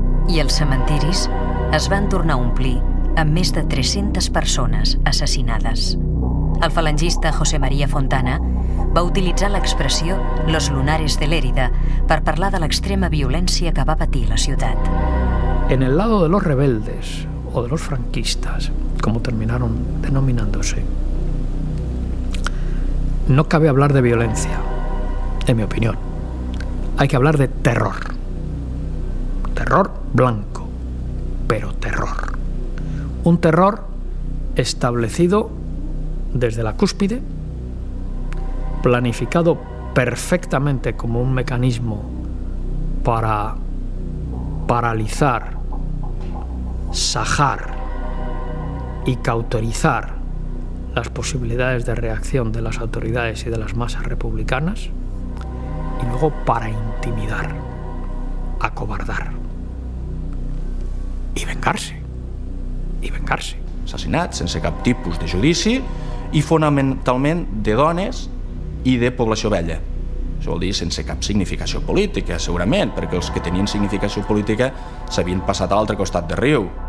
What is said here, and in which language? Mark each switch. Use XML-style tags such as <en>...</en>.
<ca>I els cementiris es van tornar a omplir amb més de 300 persones assassinades. El falangista José María Fontana va utilitzar l'expressió</ca> <es>«Los lunares de Lérida»</es> <ca>per parlar de l'extrema violència que va patir la ciutat.</ca> <es>En el lado de los rebeldes o de los franquistas, como terminaron denominándose, no cabe hablar de violencia, en mi opinión. Hay que hablar de terror. Terror blanco, pero terror. Un terror establecido desde la cúspide, planificado perfectamente como un mecanismo para paralizar, sajar y cauterizar las posibilidades de reacción de las autoridades y de las masas republicanas, y luego para intimidar, acobardar y vengarse.</es> <ca>Assassinats sense cap tipus de judici i fonamentalment de dones i de població vella. Això vol dir sense cap significació política, segurament, perquè els que tenien significació política s'havien passat a l'altre costat de riu.</ca>